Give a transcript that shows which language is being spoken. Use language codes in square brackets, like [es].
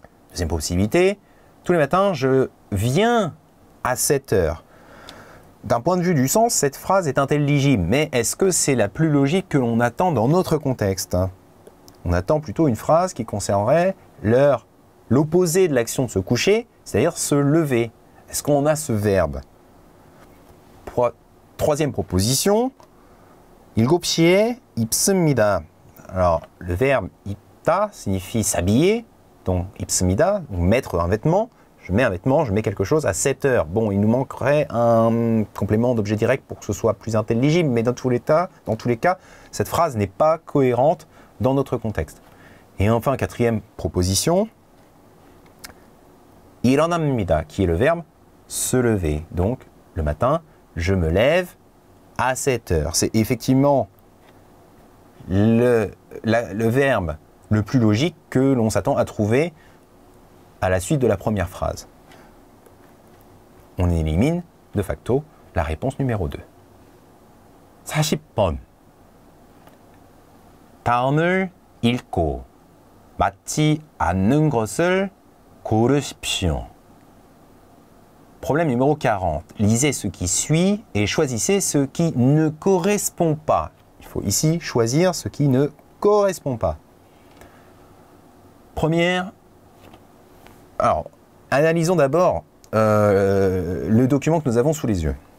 [fr] Deuxième possibilité, tous les matins, je viens à 7 heures. D'un point de vue du sens, cette phrase est intelligible, mais est-ce que c'est la plus logique que l'on attend dans notre contexte? On attend plutôt une phrase qui concernerait l'heure, l'opposé de l'action de se coucher, c'est-à-dire se lever. Est-ce qu'on a ce verbe? Troisième proposition, [ko] 일곱 시에 입습니다. [fr] Alors, le verbe 입다 signifie s'habiller, donc 입습니다, donc mettre un vêtement. Je mets un vêtement, je mets quelque chose à 7 heures. Bon, il nous manquerait un complément d'objet direct pour que ce soit plus intelligible, mais dans tous les cas, cette phrase n'est pas cohérente dans notre contexte. Et enfin, quatrième proposition, 일어납니다, qui est le verbe se lever. Donc, le matin, je me lève à 7 heures. C'est effectivement le verbe le plus logique que l'on s'attend à trouver à la suite de la première phrase. On élimine, de facto, la réponse numéro 2. [ko] 40번. 다음을 읽고 맞지 않는 것을 고르십시오. [fr] Problème numéro 40. Lisez ce qui suit et choisissez ce qui ne correspond pas. Il faut ici choisir ce qui ne correspond pas. Première. Alors, analysons d'abord le document que nous avons sous les yeux.